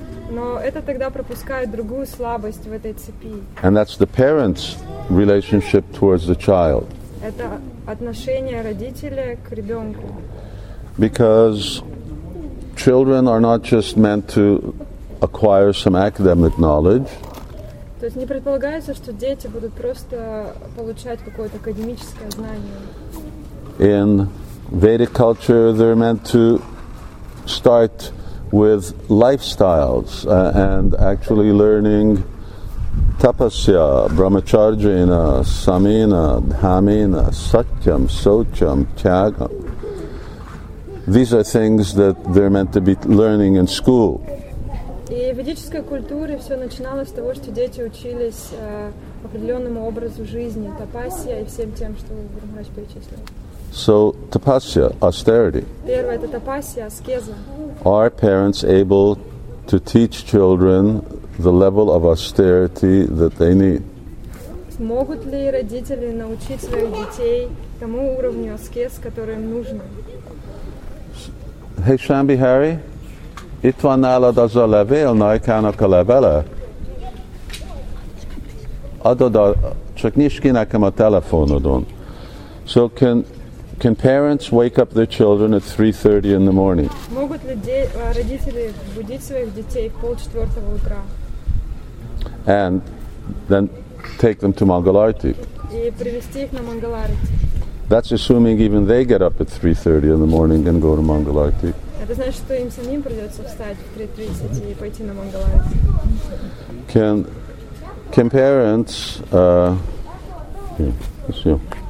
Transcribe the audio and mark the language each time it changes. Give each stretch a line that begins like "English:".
Russian: Но это тогда пропускает другую слабость в этой цепи.
English: And that's the parent's relationship towards the child.
Russian: Это отношение родителя к ребенку.
English: Because children are not just meant to acquire some academic knowledge.
Russian: То есть не предполагается, что дети будут просто получать какое-то академическое знание.
English: In Vedic culture, they're meant to start with lifestyles and actually learning tapasya, brahmacharjana, samina, dhamina, satyam, socham, tyagam. These are things that they're meant to be learning in school.
Russian: И в ведической культуре все начиналось с того, что дети учились определенному образу жизни, тапасья и всем тем, что Гурумрач перечислил.
English: So tapasya, austerity.
Russian: Первое это тапасья, аскеза.
English: Are parents able to teach children the level of austerity that they need?
Russian: Могут ли родители научить своих детей тому уровню аскез, который им нужен? Hey Shambhihari, itvanala dazalevel naikana kalavela. Adoda chaknishki na kama telefonu don.
English: So can parents wake up their children at 3:30 in the morning?
Russian: Могут ли родители будить своих детей в полчетвертого утра?
English: And then take them to Mangalarti.
Russian: И привести их на Мангаларти.
English: That's assuming even they get up at 3:30 in the morning and go to Mangalarti.
Russian: Это значит, что им самим придется встать в 3:30 и пойти на Мангаларти.